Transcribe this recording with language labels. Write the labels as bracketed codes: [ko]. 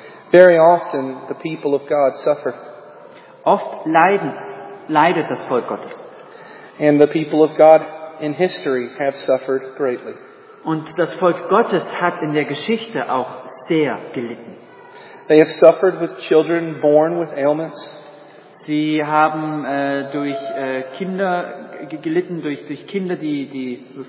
[en] Very often the people of God suffer. [de] Oft leidet das Volk Gottes. [en] And the people of God in history have suffered greatly. [de] Und das Volk Gottes hat in der Geschichte auch sehr gelitten. [en] They have suffered with children born with ailments. [de] Sie haben durch Kinder gelitten, durch Kinder, die